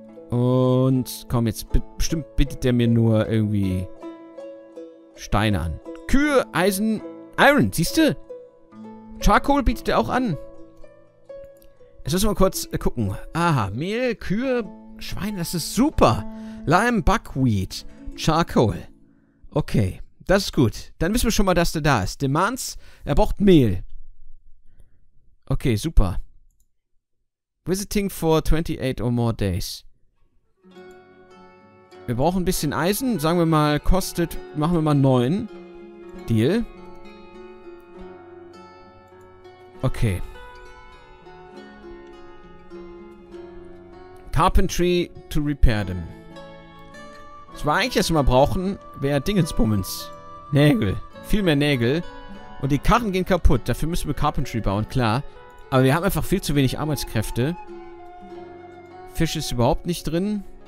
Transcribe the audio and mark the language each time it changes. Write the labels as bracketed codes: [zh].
[de] Und komm, jetzt bestimmt bittet der mir nur irgendwie Steine an. Kühe, Eisen, Iron, siehst du? Charcoal bietet er auch an. Jetzt müssen wir mal kurz gucken. Aha, Mehl, Kühe, Schweine, das ist super. [en] Lime, Buckwheat, Charcoal. [de] Okay, das ist gut. Dann wissen wir schon mal, dass der da ist. Demands, er braucht Mehl. Okay, super. [en] Visiting for 28 or more days. [de] Wir brauchen ein bisschen Eisen. Sagen wir mal, kostet... Machen wir mal 9. Deal. Okay. [en] Carpentry to repair them. [de] Das war eigentlich, was wir mal brauchen, wäre Dingensbummens. Nägel. Viel mehr Nägel. Und die Karren gehen kaputt. Dafür müssen wir Carpentry bauen, klar. Aber wir haben einfach viel zu wenig Arbeitskräfte. Fisch ist überhaupt nicht drin.